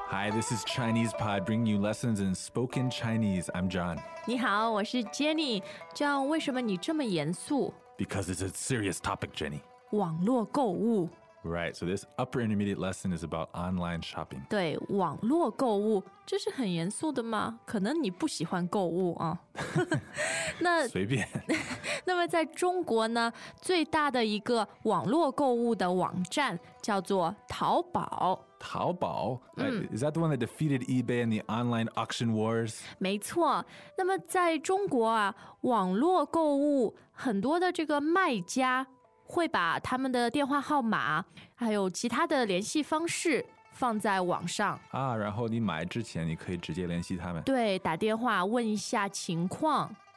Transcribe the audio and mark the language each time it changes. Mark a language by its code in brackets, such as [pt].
[en] This is ChinesePod, bringing you lessons in spoken Chinese. I'm John. [zh] 你好,我是Jenny. John,为什么你这么严肃? [en] Because it's a serious topic, Jenny. [zh] 网络购物. [en] Right, so this upper intermediate lesson is about online shopping. [zh] 对,网络购物,这是很严肃的吗? 可能你不喜欢购物啊。随便。那么在中国呢, 最大的一个网络购物的网站叫做淘宝。淘宝? [en] Is that the one that defeated eBay in the online auction wars? [zh] 没错,那么在中国啊, 网络购物,很多的这个卖家会把他们的电话号码 还有其他的联系方式放在网上。然后你买之前你可以直接联系他们。对,打电话问一下情况。